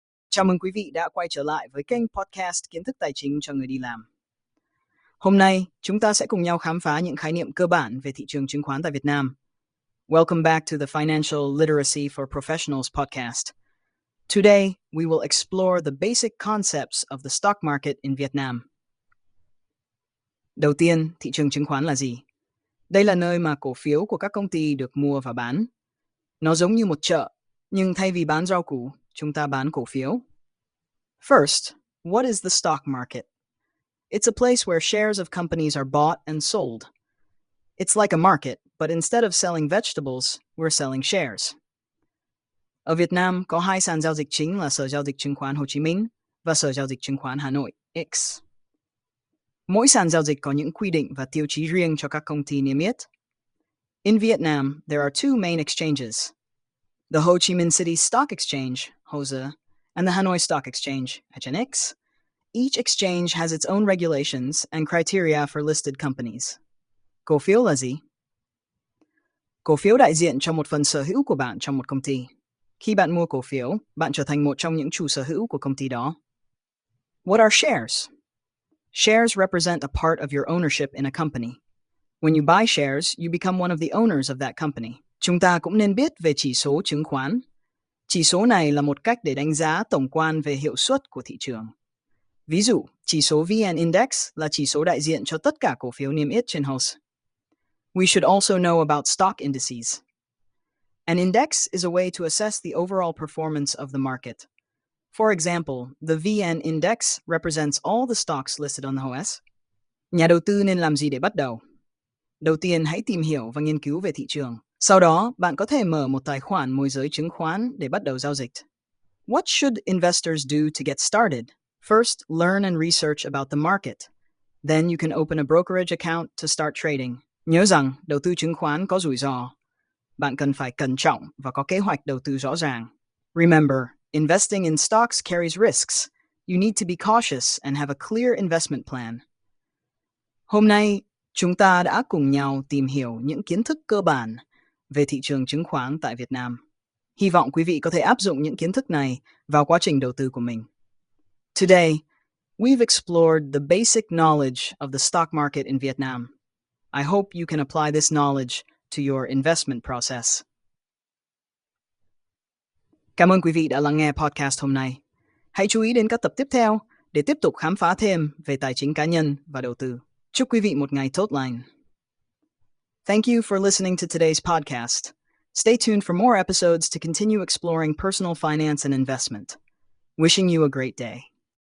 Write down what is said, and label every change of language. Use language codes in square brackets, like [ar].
[vi] Chào mừng quý vị đã quay trở lại với kênh podcast Kiến thức Tài chính cho người đi làm. Hôm nay, chúng ta sẽ cùng nhau khám phá những khái niệm cơ bản về thị trường chứng khoán tại Việt Nam. [en] Welcome back to the Financial Literacy for Professionals podcast. Today, we will explore the basic concepts of the stock market in Vietnam. [vi] Đầu tiên, thị trường chứng khoán là gì? Đây là nơi mà cổ phiếu của các công ty được mua và bán. Nó giống như một chợ, nhưng thay vì bán rau củ, chúng ta bán cổ phiếu. [en] First, what is the stock market? It's a place where shares of companies are bought and sold. It's like a market, but instead of selling vegetables, we're selling shares. [vi] Ở Việt Nam, có hai sàn giao dịch chính là Sở Giao dịch Chứng khoán Hồ Chí Minh và Sở Giao dịch Chứng khoán Hà Nội, X. Mỗi sàn giao dịch có những quy định và tiêu chí riêng cho các công ty niêm yết. [en] In Vietnam, there are two main exchanges. The Ho Chi Minh City Stock Exchange, HOSE, and the Hanoi Stock Exchange, HNX. Each exchange has its own regulations and criteria for listed companies. [vi] Cổ phiếu là gì? Cổ phiếu đại diện cho một phần sở hữu của bạn trong một công ty. Khi bạn mua cổ phiếu, bạn trở thành một trong những chủ sở hữu của công ty đó. [en] What are shares? Shares represent a part of your ownership in a company. When you buy shares, you become one of the owners of that company. [vi] Chúng ta cũng nên biết về chỉ số chứng khoán. Chỉ số này là một cách để đánh giá tổng quan về hiệu suất của thị trường. Ví dụ, chỉ số VN Index là chỉ số đại diện cho tất cả cổ phiếu niêm yết trên HOSE. [en] We should also know about stock indices. An index is a way to assess the overall performance of the market. For example, the VN Index represents all the stocks listed on the HOSE. [vi] Nhà đầu tư nên làm gì để bắt đầu? Đầu tiên, hãy tìm hiểu và nghiên cứu về thị trường. Sau đó, bạn có thể mở một tài khoản môi giới chứng khoán để bắt đầu giao dịch. [en] What should investors do to get started? First, learn and research about the market. Then you can open a brokerage account to start trading. [vi] Nhớ rằng, đầu tư chứng khoán có rủi ro. Bạn cần phải cẩn trọng và có kế hoạch đầu tư rõ ràng. [en] Remember, investing in stocks carries risks. You need to be cautious and have a clear investment plan. [vi] Hôm nay, chúng ta đã cùng nhau tìm hiểu những kiến thức cơ bản về thị trường chứng khoán tại Việt Nam. Hy vọng quý vị có thể áp dụng những kiến thức này vào quá trình đầu tư của mình. [en] Today, we've explored the basic knowledge of the stock market in Vietnam. I hope you can apply this knowledge to your investment process. [vi] Cảm ơn quý vị đã lắng nghe podcast hôm nay. Hãy chú ý đến các tập tiếp theo để tiếp tục khám phá thêm về tài chính cá nhân và đầu tư. Chúc quý vị một ngày tốt lành. [en] Thank you for listening to today's podcast. Stay tuned for more episodes to continue exploring personal finance and investment. Wishing you a great day.